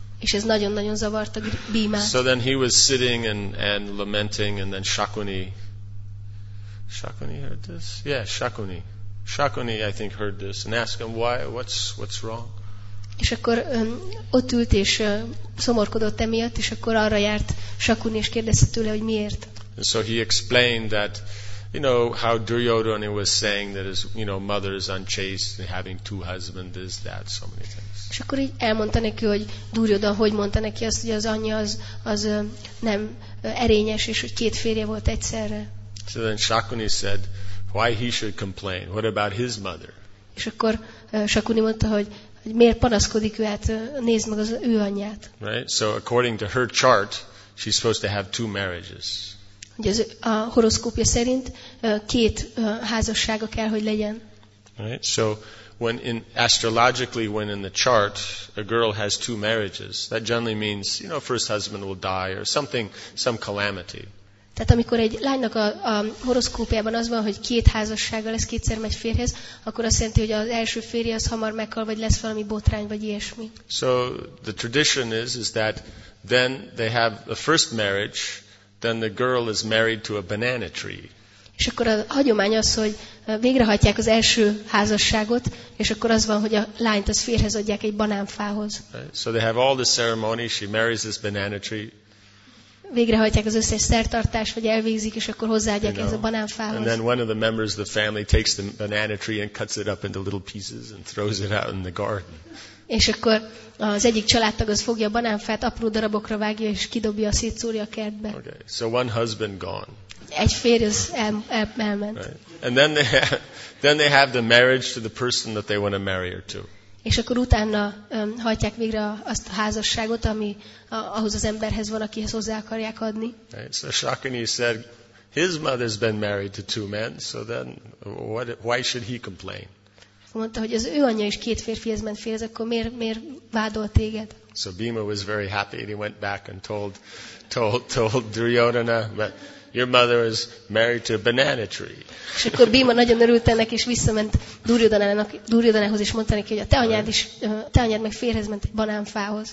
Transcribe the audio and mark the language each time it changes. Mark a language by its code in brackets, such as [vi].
[hu] És ez nagyon-nagyon zavarta Bhimát. [en] So then he was sitting and lamenting, and then Shakuni heard this. Yeah, Shakuni I think heard this and asked him why, what's wrong? [hu] És akkor ott ült és szomorkodott emiatt, és akkor arra járt Shakuni és kérdezte tőle, hogy miért. [en] And so he explained that, you know, how Duryodhana was saying that his, you know, mother is unchaste and having two husbands, this, that, so many things. [hu] És akkor így elmondta neki, hogy Duryodhana hogy mondta neki azt, hogy az anyja az nem erényes, és hogy két férje volt egyszerre. [en] So then Shakuni said, why he should complain? What about his mother? [hu] És akkor Shakuni mondta, hogy miért panaszkodik ő, hát nézd meg az ő anyját. [en] Right? So according to her chart, she's supposed to have two marriages. [hu] Ugye a horoszkópja szerint két házassága kell, hogy legyen. [en] Right? So when in astrologically when in the chart a girl has two marriages, that generally means, you know, first husband will die or something, some calamity. [hu] Tehát amikor egy lánynak a horoszkópjában az van, hogy két házassága lesz, kétszer megy férjhez, akkor azt jelenti, hogy az első férje az hamar meghal, vagy lesz valami botrány, vagy ilyesmi. [en] So the tradition is that then they have a first marriage, then the girl is married to a banana tree. [hu] És akkor a hagyomány az, hogy végrehajtják az első házasságot, és akkor az van, hogy a lányt az férjhez adják egy banánfához. [en] Right. So they have all the ceremony, she marries this banana tree. [hu] Végrehajtják az összes szertartást, vagy elvégzik, és akkor hozzáadják, [en] you know, [hu] ez a banánfához. [en] And then one of the members of the family takes the banana tree and cuts it up into little pieces and throws it out in the garden. [hu] És akkor az egyik családtag az fogja a banánfát, apró darabokra vágja, és kidobja, szétszórja a kertbe. [en] Okay, so one husband gone. [hu] Egy férj az elment. [en] Right. And then they have the marriage to the person that they want to marry her to. [hu] És akkor utána hajtják végre azt a házasságot, ami ahhoz az emberhez van, akihez hozzá akarják adni. [en] Right. So Shakuni said, his mother's been married to two men, so then why should he complain? [hu] Mondta, hogy az ő anyja is két férfihez ment férhez, akkor miért vádol téged? [en] So Bhima was very happy and he went back and told Duryodhana, but your mother is married to a banana tree. [hu] És akkor Bhima nagyon örült ennek, és visszament Duryodhanához, és mondta neki, hogy a te anyád meg férhez ment egy banánfához.